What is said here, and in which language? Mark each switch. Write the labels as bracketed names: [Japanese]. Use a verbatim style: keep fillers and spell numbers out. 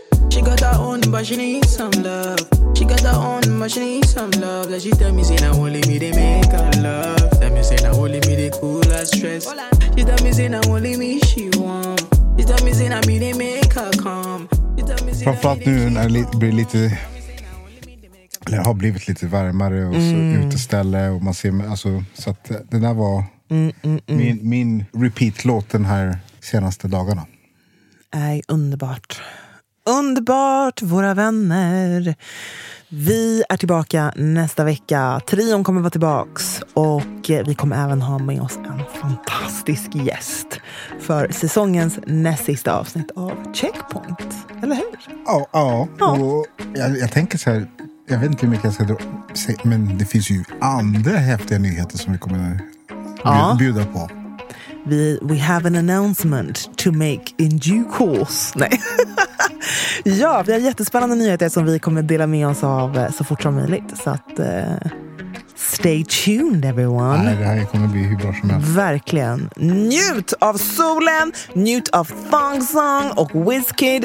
[English] She got her own, but she needs some love. She got her own, but she needs some love. Like she tell me, say, now only me they make her love. Tell me, say, now only me they cool her stress. She tell me, say, now only me she want. She tell me, say, now me they make her calm. [Swedish] Framförallt nu när det blir lite, eller har blivit lite varmare och så mm. uteställe och man ser, alltså, så att det där var mm, mm, mm. min, min repeat-låt den här senaste dagarna. Nej, underbart. Underbart, våra vänner. Vi är tillbaka nästa vecka. Trion kommer vara tillbaks. Och vi kommer även ha med oss en fantastisk gäst för säsongens näst sista avsnitt av Checkpoint. Eller hur? Ja, ja. ja. Och jag, jag tänker så här, jag vet inte hur mycket jag ska dra, men det finns ju andra häftiga nyheter som vi kommer ja. bjuda på. [English] Vi, we have an announcement to make in due course. [Swedish] Nej. Ja, vi har jättespännande nyheter som vi kommer dela med oss av så fort som möjligt. Så att, [English] uh, stay tuned everyone. [Swedish] Nej, det här kommer bli hur bra som helst. Verkligen. Njut av solen, njut av Thong Song och Wizkid.